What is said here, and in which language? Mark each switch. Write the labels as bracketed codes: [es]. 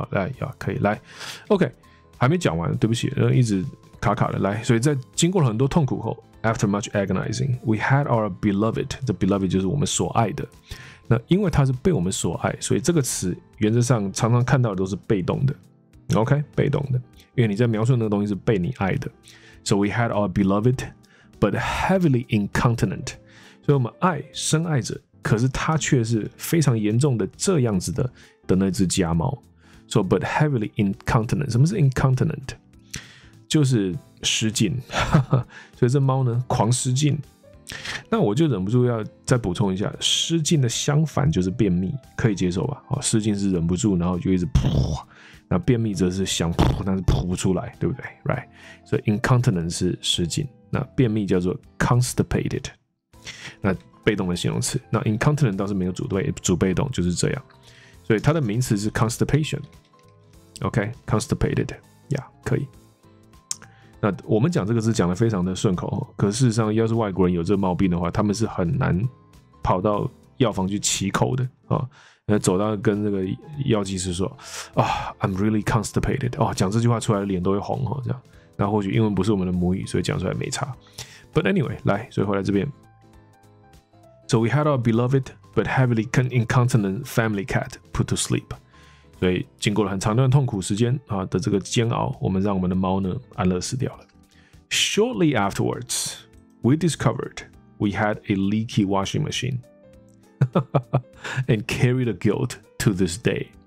[zh] 好，来，呀，可以来 ，OK， 还没讲完，对不起，一直卡卡的。来，所以在经过了很多痛苦后。 [en] After much agonizing, we had our beloved. The beloved [zh] 就是我们所爱的。那因为他是被我们所爱，所以这个词原则上常常看到的都是被动的。 OK， 被动的，因为你在描述那个东西是被你爱的。 [en] So we had our beloved, but heavily incontinent. [zh] 所以我们爱深爱着，可是他却是非常严重的这样子的那只家猫。 [en] So but heavily incontinent. [zh] 什么是 [en] incontinent？ [zh] 就是失禁，所以这猫呢狂失禁。那我就忍不住要再补充一下，失禁的相反就是便秘，可以接受吧？好，失禁是忍不住，然后就一直噗，那便秘则是想噗，但是噗不出来，对不对 ？Right？所以 incontinence 是失禁，那便秘叫做 constipated， 那被动的形容词。那 incontinent 倒是没有主对，主被动就是这样，所以它的名词是 constipation。 OK，constipated， 呀，可以。那我们讲这个字讲得非常的顺口，可事实上要是外国人有这个毛病的话，他们是很难跑到药房去乞口的、哦、走到跟那个药剂师说、哦、 [en] I'm really constipated、 [zh] 哦、讲这句话出来脸都会红、哦、这样。那或许英文不是我们的母语，所以讲出来没差。 [en] But anyway， [zh] 来，所以回来这边。 [en] So we had our beloved but heavily incontinent family cat put to sleep。 [zh] 所以经过了很长段痛苦时间的这个煎熬，我们让我们的猫呢安乐死掉了。 [en] Shortly afterwards, we discovered we had a leaky washing machine and carry the guilt to this day.